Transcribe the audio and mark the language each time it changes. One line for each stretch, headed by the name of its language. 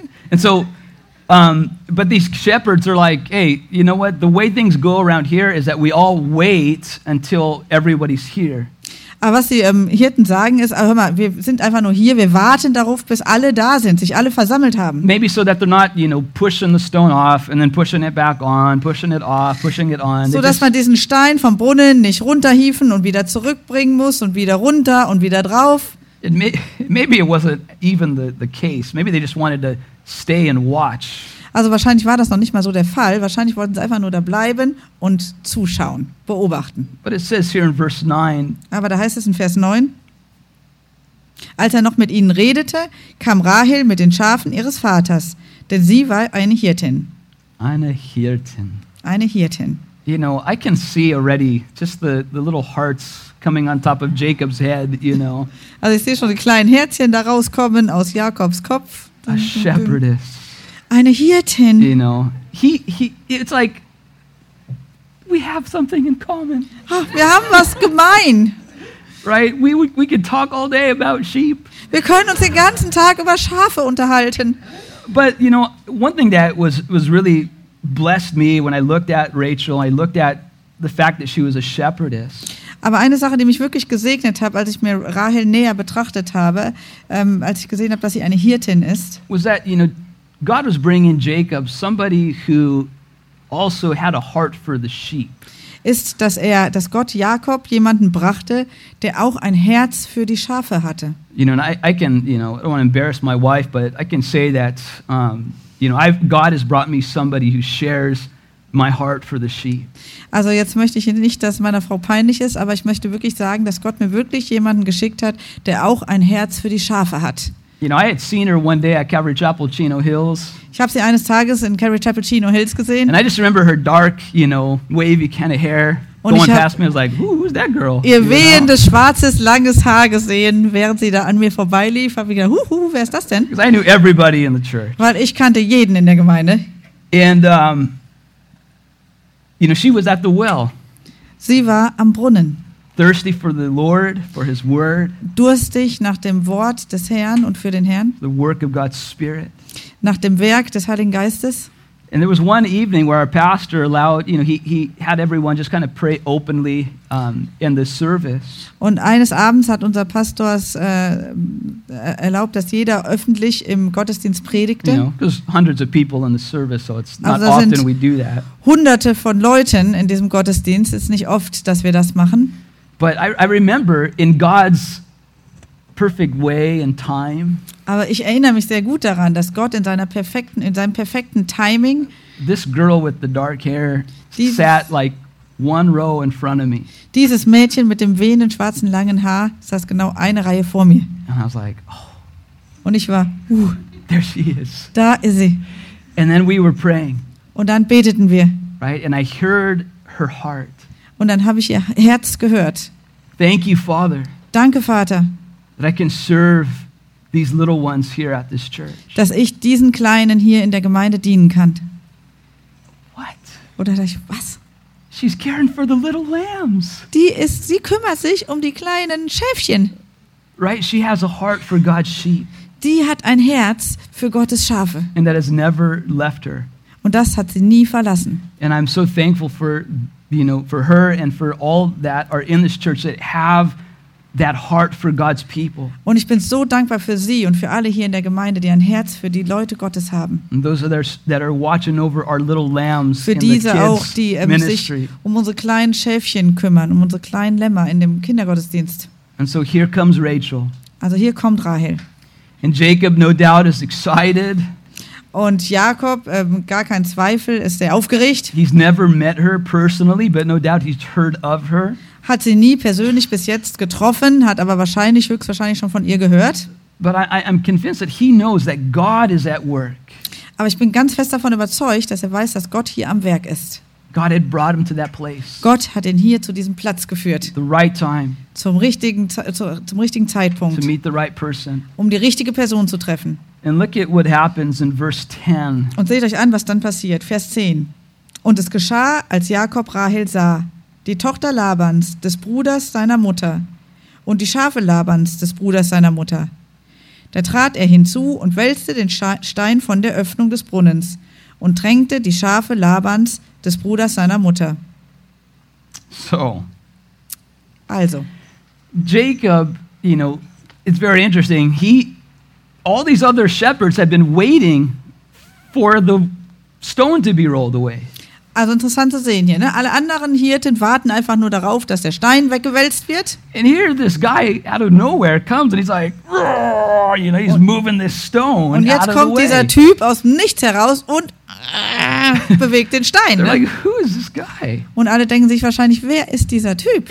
English: And so, but these shepherds are like, hey, you know what? The way things go around here is that we all wait until everybody's here.
German: Aber was die Hirten sagen ist, hör mal, wir sind einfach nur hier, wir warten darauf, bis alle da sind, sich alle versammelt haben.
English: Maybe so that they're not, you know, pushing the stone off and then pushing it back on, pushing it off, pushing it on.
German: So, dass man diesen Stein vom Brunnen nicht runterhieven und wieder zurückbringen muss und wieder runter und wieder drauf.
English: Maybe it wasn't even the case. Maybe they just wanted to stay and watch.
German: Also wahrscheinlich war das noch nicht mal so der Fall. Wahrscheinlich wollten sie einfach nur da bleiben und zuschauen, beobachten.
English: But it says here in verse 9,
German: aber da heißt es in Vers 9, als er noch mit ihnen redete, kam Rahel mit den Schafen ihres Vaters, denn sie war eine Hirtin. Eine Hirtin. Eine Hirtin.
English: You know, I can see already just the little hearts coming on top of Jacob's head, you know.
German: Also ich sehe schon die kleinen Herzchen da rauskommen aus Jakobs Kopf.
English: A shepherdess.
German: Eine Hirtin.
English: You know, it's like, we have something in common.
German: Oh, wir haben was gemein.
English: Right? We could talk all day about sheep.
German: Wir können uns den ganzen Tag über Schafe unterhalten.
English: But you know, one thing that was really blessed me when I looked at Rachel, I looked at the fact that she was a shepherdess.
German: Aber eine Sache, die mich wirklich gesegnet hat, als ich mir Rahel näher betrachtet habe, als ich gesehen habe, dass sie eine Hirtin ist,
English: was that, you know, God was bringing Jacob somebody who also had a heart for the sheep.
German: Ist, dass Gott Jakob jemanden brachte, der auch ein Herz für die Schafe hatte.
English: You know, and I can, you know, I don't want to embarrass my wife, but I can say that, you know, God has brought me somebody who shares my heart for the sheep.
German: Also jetzt möchte ich nicht, dass meiner Frau peinlich ist, aber ich möchte wirklich sagen, dass Gott mir wirklich jemanden geschickt hat, der auch ein Herz für die Schafe hat.
English: You know, I had seen her one day at Calvary Chapel Chino Hills.
German: Ich habe sie eines Tages in Calvary Chapel Chino Hills gesehen.
English: And I just remember her dark, you know, wavy kind of hair.
German: Und
English: going past me, I was like, who's that girl?
German: Ihr wehendes, schwarzes, langes Haar gesehen, während sie da an mir vorbeilief. Habe ich gedacht, wer ist das denn?
English: Because I knew everybody in the church.
German: Weil ich kannte jeden in der Gemeinde.
English: And, you know, she was at the well.
German: Sie war am Brunnen.
English: Thirsty for the Lord, for His Word.
German: Durstig nach dem Wort des Herrn und für den Herrn.
English: The work of God's Spirit.
German: Nach dem Werk des Heiligen Geistes.
English: And there was one evening where our pastor allowed, you know, he had everyone just kind of pray openly in the service.
German: Und eines Abends hat unser Pastor es erlaubt, dass jeder öffentlich im Gottesdienst predigte.
English: You know, there's hundreds of people in the service, so it's not often we do that.
German: Hunderte von Leuten in diesem Gottesdienst. Es ist nicht oft, dass wir das machen.
English: But I remember in God's perfect way and time.
German: Aber ich erinnere mich sehr gut daran, dass Gott in seinem perfekten Timing.
English: This girl with the dark hair sat like one row in front of me.
German: Dieses Mädchen mit dem wehenden schwarzen langen Haar saß genau eine Reihe vor mir.
English: And I was like, oh.
German: Und ich war,
English: there she is.
German: Da ist sie.
English: And then we were praying.
German: Und dann beteten wir.
English: Right, and I heard her heart.
German: Und dann habe ich ihr Herz gehört.
English: Thank you, Father.
German: Danke, Vater.
English: That I can serve these little ones here at this church.
German: Dass ich diesen Kleinen hier in der Gemeinde dienen kann.
English: What?
German: Oder dachte ich, was?
English: She's caring for the little lambs.
German: Sie kümmert sich um die kleinen Schäfchen.
English: Right? She has a heart for God's sheep.
German: Die hat ein Herz für Gottes Schafe.
English: And that has never left her.
German: Und das hat sie nie verlassen.
English: And I'm so thankful for, you know, for her and for all that are in this church that have that heart for God's people.
German: Und ich bin so dankbar für sie und für alle hier in der Gemeinde, die ein Herz für die Leute Gottes haben.
English: And those are that are watching over our little lambs in the kids' ministry.
German: Für diese auch, die sich um unsere kleinen Schäfchen kümmern, um unsere kleinen Lämmer in dem Kindergottesdienst.
English: And so here comes Rachel.
German: Also hier kommt Rahel.
English: And Jacob, no doubt, is excited.
German: Und Jakob, gar kein Zweifel, ist sehr aufgeregt.
English: He's never met her personally, but no doubt he's heard of her.
German: Hat sie nie persönlich bis jetzt getroffen, hat aber wahrscheinlich höchstwahrscheinlich schon von ihr gehört.
English: But I'm convinced that he knows that God is at work.
German: Aber ich bin ganz fest davon überzeugt, dass er weiß, dass Gott hier am Werk ist.
English: God had brought him to that place.
German: Gott hat ihn hier zu diesem Platz geführt.
English: The right time.
German: Zum richtigen Zeitpunkt.
English: To meet the right person.
German: Um die richtige Person zu treffen.
English: And look at what happens in verse 10.
German: Und seht euch an, was dann passiert. Vers 10. Und es geschah, als Jakob Rahel sah, die Tochter Labans, des Bruders seiner Mutter, und die Schafe Labans, des Bruders seiner Mutter. Da trat er hinzu und wälzte den Stein von der Öffnung des Brunnens und tränkte die Schafe Labans, des Bruders seiner Mutter.
English: So.
German: Also.
English: Jacob, you know, it's very interesting. All these other shepherds had been waiting for the stone to be rolled away.
German: Also interessant zu sehen hier, ne? Alle anderen Hirten warten einfach nur darauf, dass der Stein weggewälzt wird.
English: And here this guy out of nowhere comes and he's like, you know, he's moving this stone.
German: Und jetzt
English: out of
German: kommt
English: the way.
German: Dieser Typ aus nichts heraus und bewegt den Stein.
English: They're
German: ne?
English: Like, who is this guy?
German: Und alle denken sich wahrscheinlich, wer ist dieser Typ?